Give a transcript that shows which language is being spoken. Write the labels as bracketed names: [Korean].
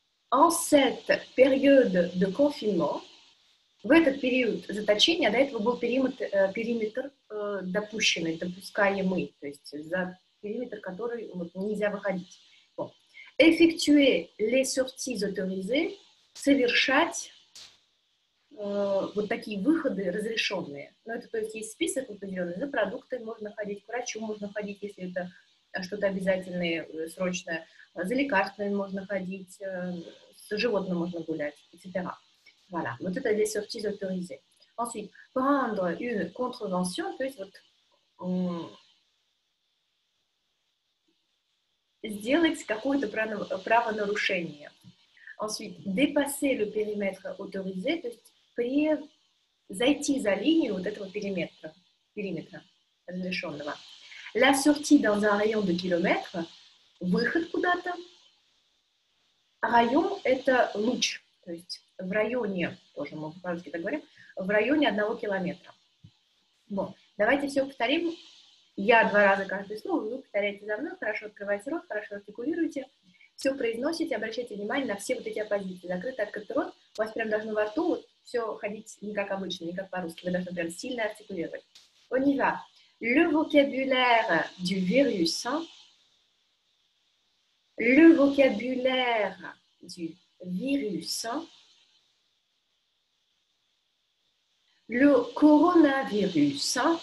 [French] en cette période de confinement, [Russian] в этот период заточения, до этого был периметр допущенный, допускаемый, то есть за периметр, который вот, нельзя выходить. [French] Bon. Effectuer les sorties autorisées, [Russian] совершать вот такие выходы разрешенные. Ну, это, то есть, есть список определенный, за продукты можно ходить, к врачу можно ходить, если это что-то обязательное, срочное, за лекарствами можно ходить, с животным можно гулять, etc. [French] Voilà, [Russian] вот это [French] les sorties autorisées. Ensuite, prendre une contravention, [Russian] то есть вот сделать какое-то правонарушение. [French] Ensuite, dépasser le périmètre autorisé, [Russian] то есть зайти за линию вот этого периметра разрешенного. [French] La sortie dans un rayon de kilomètre, [Russian] выход куда-то. Район – это луч, то есть в районе, тоже мы по-русски так говорим, в районе 1 километра. Вот. Давайте все повторим. Я 2 раза каждое слово, вы повторяете за мной, хорошо открываете рот, хорошо артикулируете, все произносите, обращайте внимание на все вот эти оппозиции. Закрытый, открытый рот, у вас прям должно во рту вот, все ходить не как обычно, не как по-русски, вы должны прям сильно артикулировать. [French] On y va. Le vocabulaire du virus. Le vocabulaire du virus. Le coronavirus.